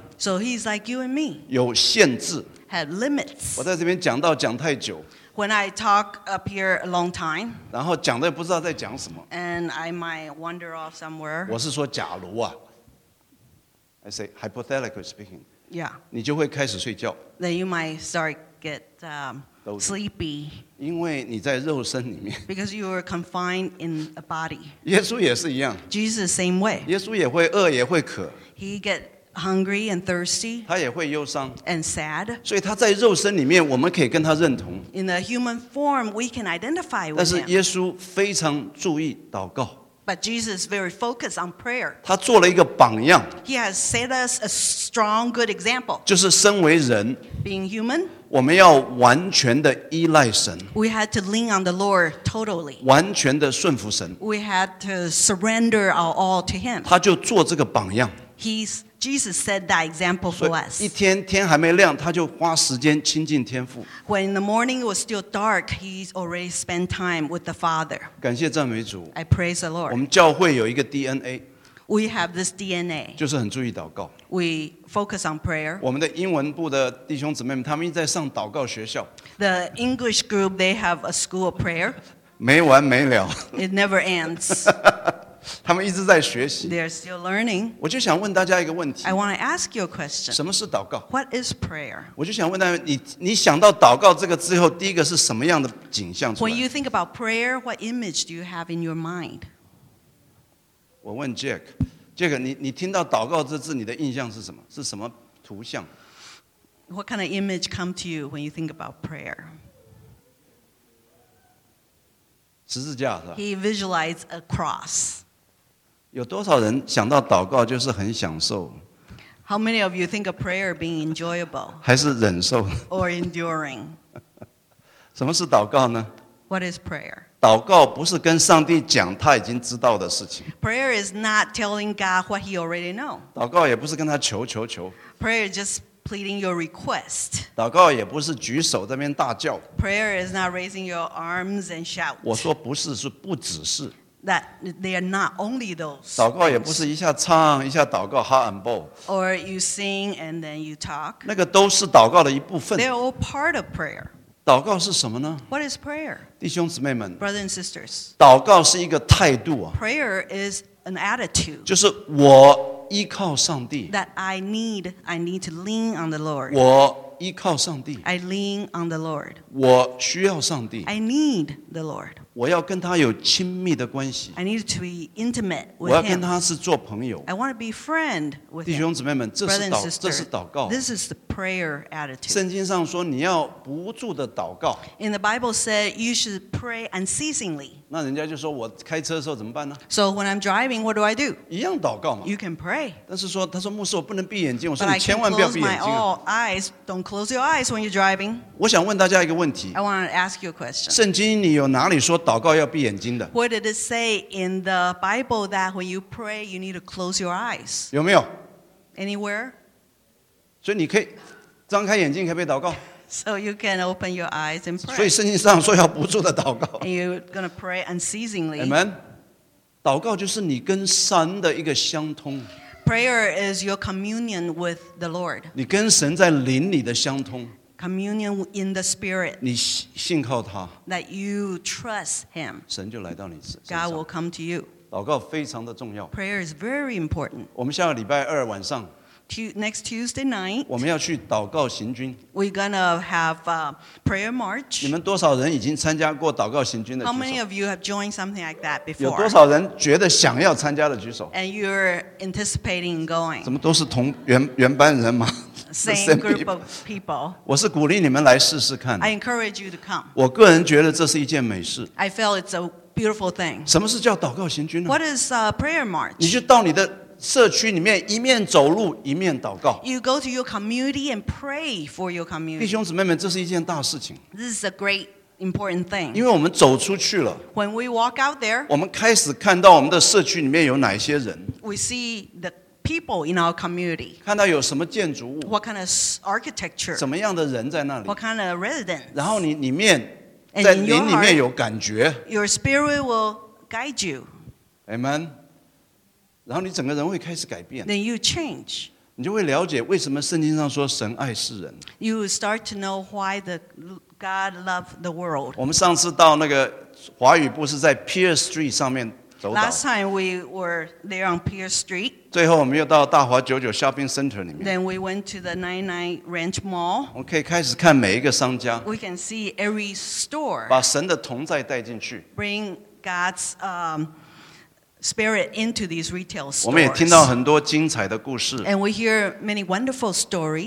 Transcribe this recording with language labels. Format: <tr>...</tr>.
<en>So he's like you and me.</en> <zh>有限制。</zh> <en>Had limits.</en> <zh>我在这边讲道讲太久。</zh> <en>When I talk up here a long time.</en> <zh>然后讲的不知道在讲什么。</zh> <en>And I might wander off somewhere.</en> <zh>我是说假如啊。</zh> <en>I say hypothetically speaking. Yeah.</en> <zh>你就会开始睡觉。</zh> <en>Then you might start get sleepy.</en> <zh>因为你在肉身里面。</zh> <en>Because you are confined in a body.</en> <zh>耶稣也是一样。</zh> <en>Jesus same way.</en> <zh>耶稣也会饿也会渴。</zh> <en>He get hungry and thirsty,</en> <zh>他也会忧伤</zh> <en>and sad.</en> <zh>所以他在肉身里面，我们可以跟他认同</zh> <en>In a human form, we can identify with him.</en> <zh>但是耶稣非常注意祷告</zh> <en>But Jesus is very focused on prayer.</en> <zh>他做了一个榜样</zh> <en>He has set us a strong, good example.</en> <zh>就是身为人</zh> <en>being human,</en> <zh>我们要完全的依赖神</zh> <en>We had to lean on the Lord totally.</en> <zh>完全的顺服神</zh> <en>We had to surrender our all to him.</en> <zh>他就做这个榜样</zh> <en>He'sJesus set that example for us.</en> <zh>一天天还没亮，他就花时间亲近天父。</zh> <en>When the morning was still dark, he already spent time with the Father.</en> <zh>感谢赞美主。</zh> <en>I praise the Lord.</en> <zh>我们教会有一个 DNA.</zh> <en>We have this DNA.</en> <zh>就是很注意祷告。</zh> <en>We focus on prayer.</en> <zh>我们的英文部的弟兄姊妹们，他们一直在上祷告学校。</zh> <en>The English group, they have a school of prayer.</en> <zh>没完没了。</zh> <en>It never ends.</en> <zh>他们一直在学习。</zh> <en>They are still learning.</en> <zh>我就想问大家一个问题。</zh> <en>I want to ask you a question.</en> <zh>什么是祷告？</zh> <en>What is prayer?</en> <zh>我就想问大家，你想到祷告这个之后，第一个是什么样的景象出来？</zh> <en>When you think about prayer, what image do you have in your mind?</en> <zh>我问 Jack， 你听到祷告这字，你的印象是什么？是什么图像？</zh> <en>What kind of image come to you when you think about prayer?</en> <zh>十字架是吧？</zh> <en>He visualized a cross.</en> <zh>有多少人想到祷告就是很享受？</zh> <en>How many of you think of prayer being enjoyable?</en> <zh>还是忍受？</zh> <en>Or enduring?</en> <zh>什么是祷告呢？</zh> <en>What is prayer?</en> <zh>祷告不是跟上帝讲他已经知道的事情。</zh> <en>Prayer is not telling God what he already knows.</en> <zh>祷告也不是跟他求求求。</zh> <en>Prayer is just pleading your request.</en> <zh>祷告也不是举手在那边大叫。</zh> <en>Prayer is not raising your arms and shout.</en> <zh>我说不是，是不只是。</zh> <en>That they are not only those.</en> <zh>祷告也不是一下唱一下祷告</zh> <en>hot and bold. Or you sing and then you talk.</en> <zh>那个都是祷告的一部分。</zh> <en>They're all part of prayer.</en> <zh>祷告是什么呢？</zh> <en>What is prayer?</en> <zh>弟兄姊妹们，</zh> <en>brothers and sisters.</en> <zh>祷告是一个态度啊。</zh> <en>Prayer is an attitude.</en> <zh>就是我依靠上帝。</zh> <en>That I need to lean on the Lord.</en> <zh>我依靠上帝。</zh> <en>I lean on the Lord.</en> <zh>我需要上帝。</zh> <en>I need the Lord.</en> <zh>我要跟他有亲密的关系。</zh> <en>I need to be intimate with him.</en> <zh>我要跟他是做朋友。</zh> <en>I want to be friend with him.</en> <zh>弟兄姊妹们，这是祷告。</zh> <en>This is the prayer attitude.</en> <zh>圣经上说你要不住的祷告。</zh> <en>In the Bible said you should pray unceasingly.</en> <zh>那人家就说我开车的时候怎么办呢？</zh> <en>So when I'm driving, what do I do?</en> <zh>一样祷告嘛。</zh> <en>You can pray.</en> <zh>但是说，他说牧师，我不能闭眼睛。我说你千万不要闭眼睛。</zh> <en>But I can close my eyes. Don't close your eyes when you're driving.</en> <zh>我想问大家一个问题。</zh> <en>I want to ask you a question.</en> <zh>圣经你有哪里说祷告要闭眼睛的？</zh> <en>What did it say in the Bible that when you pray you need to close your eyes?</en> <zh>有没有？</zh> <en>Anywhere?</en> <zh>所以你可以张开眼睛，可以祷告。</zh> <en>So you can open your eyes and pray.</en> <zh>所以圣经上说要不住的祷告。</zh> <en>And you're gonna pray unceasingly. Amen.</en> <zh>祷告就是你跟神的一个相通。</zh> <en>Prayer is your communion with the Lord.</en> <zh>你跟神在灵里的相通。</zh> <en>Communion in the spirit.</en> <zh>你信靠他。</zh> <en>That you trust him.</en> <zh>神就来到你身上。</zh> <en>God will come to you.</en> <zh>祷告非常的重要。</zh> <en>Prayer is very important.</en> <zh>我们下个礼拜二晚上。</zh> <en>Next Tuesday night,</en> <zh>我们要去祷告行军。</zh> <en>We're gonna have a prayer march.</en> <zh>你们多少人已经参加过祷告行军的举手</zh> <en>？How many of you have joined something like that before?</en> <zh>有多少人觉得想要参加的举手</zh> <en>？And you're anticipating going?</en> <zh>怎么都是同原班人马</zh> <en>？Same group of people.</en> <zh>我是鼓励你们来试试看。</zh> <en>I encourage you to come.</en> <zh>我个人觉得这是一件美事。</zh> <en>I feel it's a beautiful thing.</en> <zh>什么是叫祷告行军呢</zh> <en>？What is a prayer march?</en> <zh>你就到你的社区里面一面走路一面祷告。</zh> <en>You go to your community and pray for your community.</en> <zh>弟兄姊妹们，这是一件大事情。</zh> <en>This is a great important thing.</en> <zh>因为我们走出去了。</zh> <en>When we walk out there,</en> <zh>我们开始看到我们的社区里面有哪些人。</zh> <en>We see the people in our community.</en> <zh>看到有什么建筑物。</zh> <en>What kind of architecture?</en> <zh>怎么样的人在那里。</zh> <en>What kind of residents?</en> <zh>然后你里面在灵里面有感觉。</zh> <en>Your spirit will guide you. Amen.</en> <zh>然后你整个人会开始改变。</zh> <en>Then you change.</en> <zh>你就会了解为什么圣经上说神爱世人。</zh> <en>You start to know why the God loved the world.</en> <zh>我们上次到那个华语部是在 Pier Street 上面走岛。</zh> <en>Last time we were there on Pier Street.</en> <zh>最后我们又到大华九九</zh> <en>Shopping Center</en> <zh>里面。</zh> <en>Then we went to the 99 Ranch Mall.</en> <zh>我们可以开始看每一个商家。</zh> <en>We can see every store.</en> <zh>把神的同在带进去。</zh> <en>Bring God's spirit into these retail stores.</en> <zh>我们也听到很多精彩的故事。</zh> <en>And we hear many wonderful stories.</en>